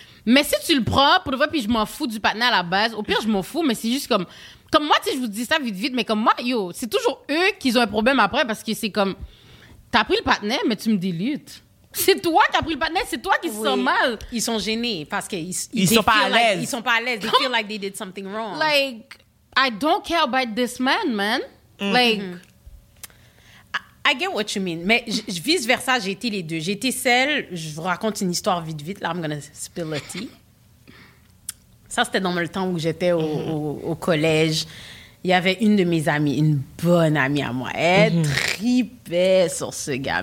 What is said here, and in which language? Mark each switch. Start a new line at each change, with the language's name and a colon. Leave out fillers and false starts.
French: Mais si tu le prends, pour vrai, puis je m'en fous du partenaire à la base, au pire, je m'en fous, mais c'est juste comme. Comme moi, tu sais, je vous dis ça vite, mais comme moi, yo, c'est toujours eux qui ont un problème après parce que c'est comme, t'as pris le partner, mais tu me dilutes. C'est toi qui as pris le partner, c'est toi qui se sent mal. Ils sont gênés parce qu'ils sont pas à l'aise. Ils sont pas à l'aise.
English: They feel like they did something wrong. Like, I don't care about this man, man. Mm-hmm. Like, I get what you mean.
French: Mais vice versa, j'ai été les deux. J'ai été celle, je vous raconte une histoire vite. Là,
English: I'm gonna spill the tea.
French: Ça, c'était dans le temps où j'étais au collège. Il y avait une de mes amies, une bonne amie à moi. Elle tripait sur ce gars.